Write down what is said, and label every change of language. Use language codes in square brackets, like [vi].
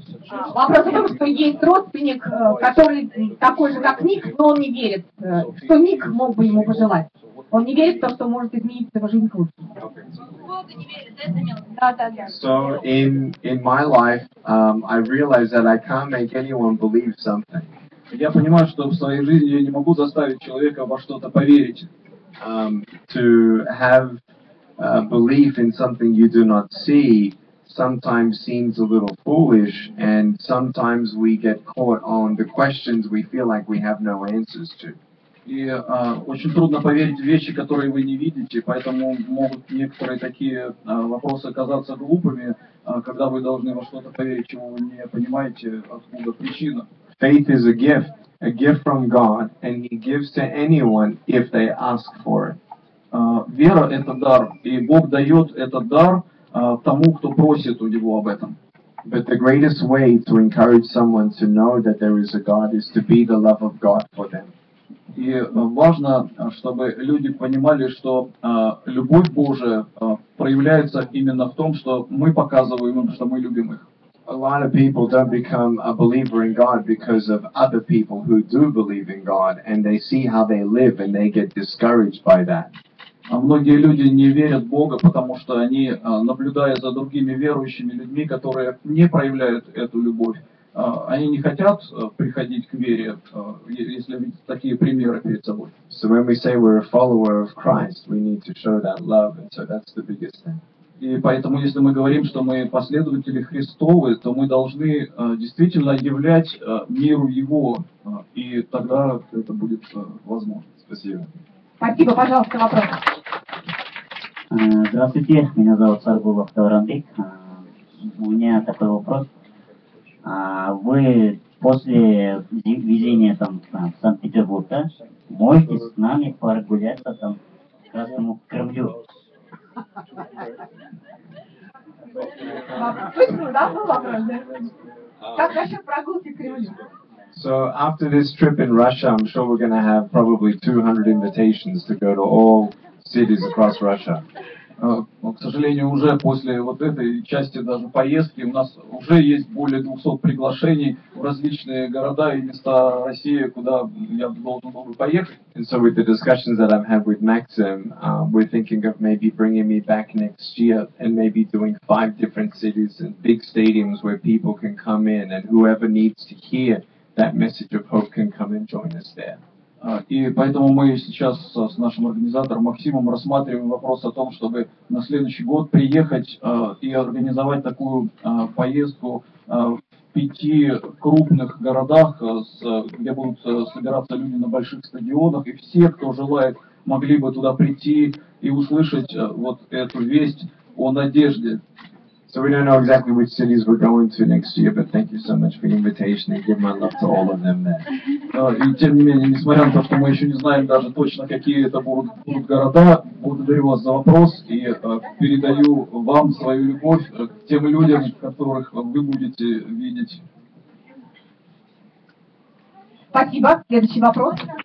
[ru] Вопрос в том, что есть родственник, который такой же, как Ник, но он не верит, что Ник мог бы ему пожелать. Он не верит в то, что может изменить его жизнь к лучшему. Бог не верит, да, да, да. [en] So in my life, I realize that I can't make anyone believe something. [ru] Я понимаю, что в своей жизни я не могу заставить человека во что-то поверить. [en] To have belief in something you do not see sometimes seems a little foolish, and sometimes we get caught on the questions we feel like we have no answers to. [ru] И очень трудно поверить в вещи, которые вы не видите, поэтому могут некоторые такие вопросы казаться глупыми, когда вы должны во что-то поверить, чего вы не понимаете, откуда причина. [en] Faith is a gift from God, and He gives to anyone if they ask for it. [ru] Вера — это дар, и Бог дает этот дар тому, кто просит у него об этом. [en] But the greatest way to encourage someone to know that there is a God is to be the love of God for them. [ru] И важно, чтобы люди понимали, что любовь Божия проявляется именно в том, что мы показываем им, что мы любим их. [en] A lot of people don't become a believer in God because of other people who do believe in God, and they see how they live, and they get discouraged by that. [ru] А многие люди не верят в Бога, потому что они, наблюдая за другими верующими людьми, которые не проявляют эту любовь, они не хотят приходить к вере, если видят такие примеры перед собой. [en] So when we say we're a follower of Christ, we need to show that love, and so that's the biggest thing. [ru] И поэтому, если мы говорим, что мы последователи Христовы, то мы должны действительно являть миру Его, и тогда это будет возможно. Спасибо. Спасибо, пожалуйста, вопрос. Здравствуйте, меня зовут Саргулов Таврандык. У меня такой вопрос. Вы после везения там в Санкт-Петербург, да, можете с нами прогуляться там к Красному Кремлю? Слышно, да, был вопрос, да? Как насчет прогулки к Кремлю? [en] So after this trip in Russia, I'm sure we're going to have probably 200 invitations to go to all cities across Russia. [ru] К сожалению, уже после вот этой части даже поездки у нас уже есть более 200 приглашений в различные города и места России, куда я должен был бы поехать. [en] And so with the discussions that I've had with Maxim, we're thinking of maybe bringing me back next year and maybe doing 5 different cities and big stadiums where people can come in and whoever needs to hear that message of hope can come and join us there. [ru] И поэтому мы сейчас с нашим организатором Максимом рассматриваем вопрос о том, чтобы на следующий год приехать и организовать такую поездку в 5 крупных городах, где будут собираться люди на больших стадионах, и все, кто желает, могли бы туда прийти и услышать вот эту весть о надежде. [en] So we don't know exactly which cities we're going to next year, but thank you so much for the invitation and give my love to all of them there. [ru] И тем не менее, несмотря на то, что мы еще не знаем даже точно, какие это будут города, благодарю вас за вопрос и передаю вам свою любовь к тем людям, которых вы будете видеть. Спасибо. Следующий вопрос.